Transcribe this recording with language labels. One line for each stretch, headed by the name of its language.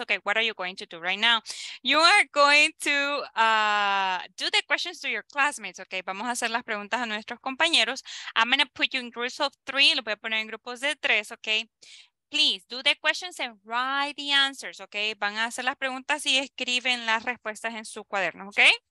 English: Okay, what are you going to do right now? You are going to do the questions to your classmates.
Spanish: Okay, vamos a hacer las preguntas a nuestros compañeros.
English: I'm going to put you in groups of 3.
Spanish: Lo voy a poner en grupos de 3, okay?
English: Please do the questions and write the answers, okay?
Spanish: Van a hacer las preguntas y escriben las respuestas en su cuaderno, okay?